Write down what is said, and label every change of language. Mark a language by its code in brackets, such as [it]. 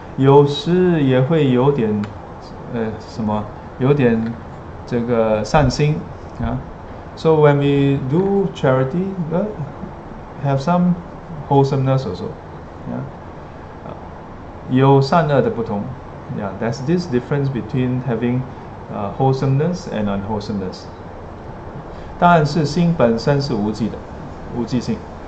[zh] 有时也会有点什么有点这个善心啊。 [en] So when we do charity, have some wholesomeness also. [zh] Yeah. 有善恶的不同. [en] Yeah, there's this difference between having wholesomeness and unwholesomeness. [zh] 但是心本身是无记的，无记性。